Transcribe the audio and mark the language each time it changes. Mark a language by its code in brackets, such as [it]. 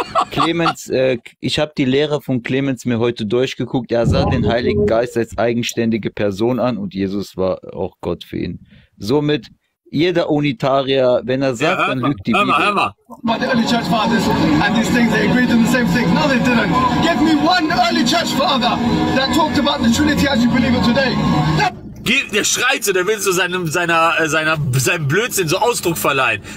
[de] Clemens, ich habe die Lehre von Clemens mir heute durchgeguckt. Er sah den Heiligen Geist als eigenständige Person an und Jesus war auch Gott für ihn. Somit, jeder Unitarier, wenn er sagt, ja, dann lügt die Bibel. Hör mal. [en] The early church fathers and these things, they agreed on the same thing. No, they didn't. Give me one early church father that talked about the Trinity as you believe it today. [de] Der schreit so, der will so seinem Blödsinn so Ausdruck verleihen.